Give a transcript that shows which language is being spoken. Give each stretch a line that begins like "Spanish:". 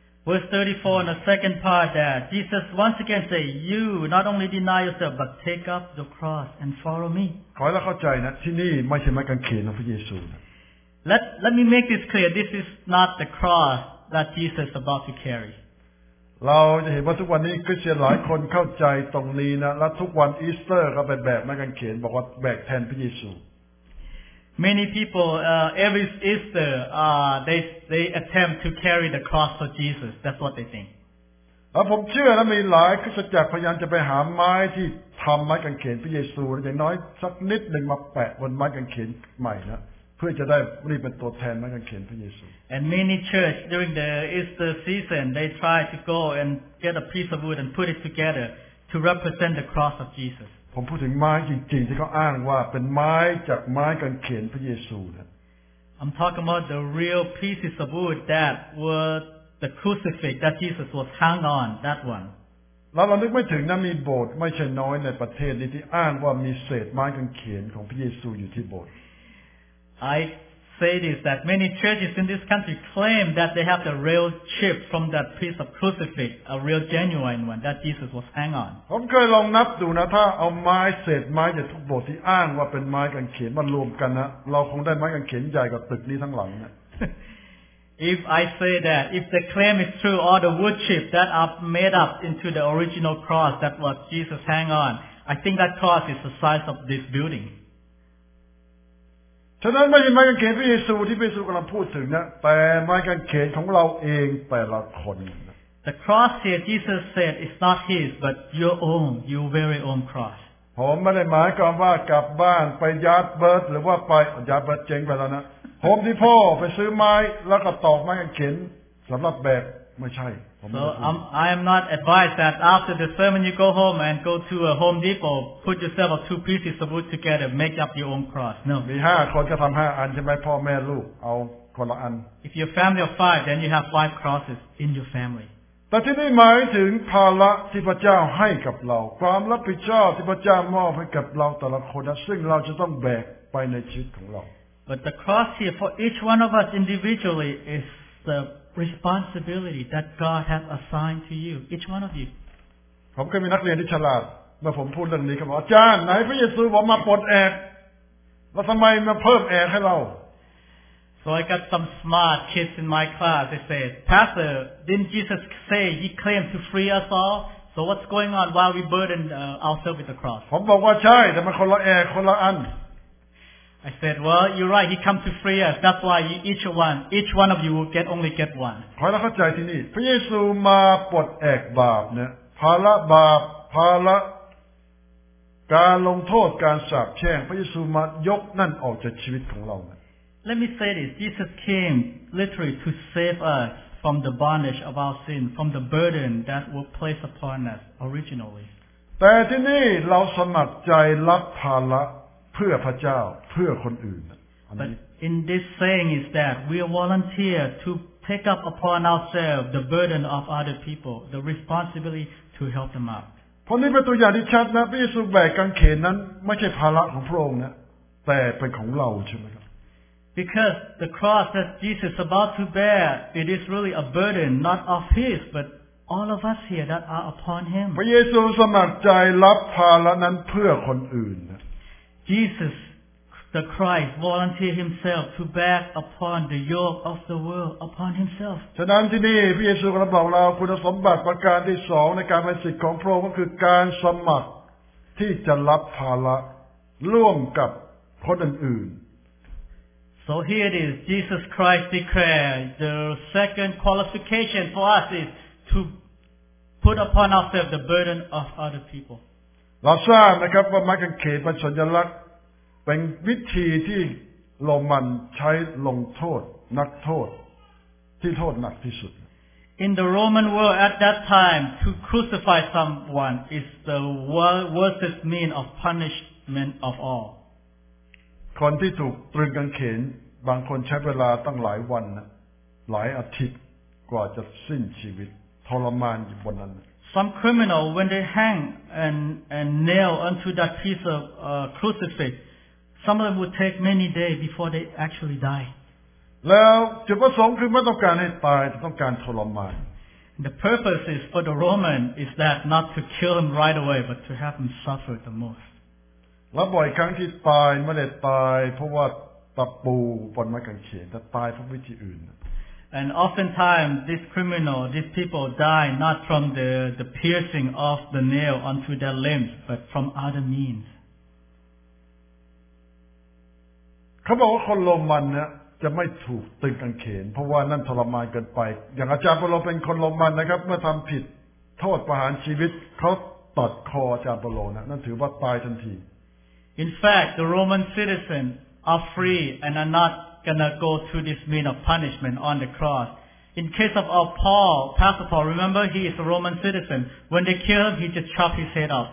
English: Verse 34 in the second part that Jesus once again say you not only deny yourself but take up the cross and follow me
Thai: ขอให้เราเข้าใจนะที่นี่ไม่ใช่ไม้กางเขนของพระเยซู
English: Let me make this clear this is not the cross that Jesus is about to carry
Thai: เราจะเห็นว่าทุกวันนี้คริสเตียนหลายคนเข้าใจตรงนี้นะและทุกวันอีสเตอร์ก็ไปแบกไม้กางเขนบอกว่าแบกแทนพระเยซู
English: Many people every Easter they attempt to carry the cross for Jesus. That's what they think.
Thai: ผมเชื่อนะมีหลายคริสตจักรพยายามจะไปหาไม้ที่ทำไม้กางเขนพระเยซูอย่างน้อยสักนิดหนึ่งมาแปะบนไม้กางเขนใหม่นะ พื่อจะได้รีบเป็นตัวแทนมากันเขียนพระเยซู
English: And many church during the Easter season they try to go and get a piece of wood and put it together to represent the cross of Jesus
Thai: ผมพูดถึงไม้จริงๆที่เขาอ้างว่าเป็นไม้จากไม้กางเขนพระเยซูนะ
English: I'm talking about the real pieces of wood that were the crucifix that Jesus was hung on that one
Thai: เราลึกไม่ถึงนะมีโบสถ์ไม่ใช่น้อยในประเทศนี้ที่อ้างว่ามีเศษไม้กางเขนของพระเยซูอยู่ที่โบสถ์
English: I say this that many churches in this country claim that they have the real chip from that piece of crucifix, a real genuine one that Jesus was hanging on.
Thai: ผมเคยลองนับดูนะถ้าเอาไม้เศษไม้จากทุกโบสถ์ที่อ้างว่าเป็นไม้กางเขนมารวมกันนะเราคงได้ไม้กางเขนใหญ่กว่าตึกนี้ทั้งหลังนะ
English: If I say that, if the claim is true, all the wood chips that are made up into the original cross that was Jesus hang on, I think that cross is the size of this building.
Thai: ฉะนั้นไม่ใช่ไม้กางเขนพระเยซูที่พระเยซูกำลังพูดถึงนะแต่ไม้กางเขนของเราเองแต่ละคน
English: The cross here Jesus said is not his but your own your very own cross
Thai: ผมไม่ได้หมายความว่ากลับบ้านไปยาร์ดเบิร์ดหรือว่าไปยาร์ดเบิร์ดเจ๋งไปแล้วนะ โฮมดีโพไปซื้อไม้แล้วก็ตอกไม้กางเขนสำหรับแบกไม่ใช่
English: I am not advised that after the sermon you go home and go to a Home Depot, put yourself two pieces of wood together, make up your own cross. No.
Thai: มี5คนก็ทํา5อันใช่มั้ยพ่อแม่ลูกเอาคนละอัน
English: If your family of 5 then you have 5 crosses in your family.
Thai: แต่ที่นี่หมายถึงภาระที่พระเจ้าให้กับเราความรับผิดชอบที่พระเจ้ามอบให้กับเราแต่ละคนซึ่งเราจะต้องแบกไปในชีวิตของเรา
English: But the cross here for each one of us individually is theresponsibility that God has assigned to you each one of you
Thai: ผมเคยมีนักเรียนที่ฉลาดเมื่อผมพูดเรื่องนี้เขาบอกอาจารย์ไหนพระเยซูผมมาปลดแอกแล้วทำไมมาเพิ่มแอกให้เรา
English: So I got some smart kids in my class they said Pastor didn't Jesus say he claimed to free us all so what's going on while we burden ourselves with the cross
Thai: ผมบอกว่าใช่แต่มันคนละแอกคนละอัน
English: I said, well, you're right, he come to free us. That's why each one of you will only get one.
Thai: ขอให้เข้าใจที่นี่พระเยซูมาปลดแอกบาปเนี่ยภาระบาปภาระการลงโทษการสาปแช่งพระเยซูมายกนั่นออกจากชีวิตของเรา
English: Let me say this. Jesus came literally to save us from the bondage of our sin, from the burden that was placed upon us originally.
Thai: แต่ที่นี่เราสมัครใจรับภาระเพื่อพระเจ้าเพื่อคนอื่น
English: But in this saying is that we are volunteer to take up upon ourselves the burden of other people the responsibility to help them out
Thai: เพราะนี่เป็นตัวอย่างที่ชัดนะพระเยซูแบกกางเขนนั้นไม่ใช่ภาระของพระองค์นะแต่เป็นของเราใช่ไหมครับ
English: Because the cross that Jesus about to bear it is really a burden not of his but all of us here that are upon him
Thai: พระเยซูสมัครใจรับภาระนั้นเพื่อคนอื่น
English: Jesus, the Christ, volunteered himself to bear upon the yoke of the world upon himself.
Thai: ฉะนั้นที่นี่พระเยซูกำลังบอกเราคุณสมบัติประการที่สองในการเป็นศิษย์ของพระองค์ก็คือการสมัครที่จะรับภาระร่วมกับคนอื่น
English: So here it is, Jesus Christ declared, the second qualification for us is to put upon ourselves the burden of other people.
Thai: เราทราบนะครับว่าไม้กางเขนเป็นสัญลักษณ์เป็นวิธีที่โรมันใช้ลงโทษนักโทษที่โทษหนักที่สุด
English: In the Roman world at that time to crucify someone is the worstest mean of punishment of all
Thai: คนที่ถูกตรึงกางเขนบางคนใช้เวลาตั้งหลายวันหลายอาทิตย์กว่าจะสิ้นชีวิตทรมานอยู่บนนั้น
English: Some criminal, when they hang and nail onto that piece of crucifix, some of them would take many days before they actually die.
Thai: แล้วจุดประสงค์คือไม่ต้องการให้ตายแต่ต้องการทรมาน
English: The purpose is for the Roman is that not to kill him right away, but to have him suffer the most.
Thai: แล้วบ่อยครั้งที่ตายไม่ได้ตายเพราะว่าตะปูบนไม้กางเขนแต่ตายเพราะวิธีอื่น
English: And oftentimes, these criminals, these people die not from the piercing of the nail onto their limbs, but from other means.
Thai: เขาบอกว่าคนโรมันเนี่ยจะไม่ถูกตึงกางเขนเพราะว่านั่นทรมานเกินไปอย่างอาจารย์เปาโลเป็นคนโรมันนะครับเมื่อทำผิดโทษประหารชีวิตเขาตัดคออาจารย์เปาโลนะนั่นถือว่าตายทันที
English: In fact, the Roman citizen are free and are not gonna go through this means of punishment on the cross. In case of our Paul, Pastor Paul, remember he is a Roman citizen. When they kill him, he just chop his head off.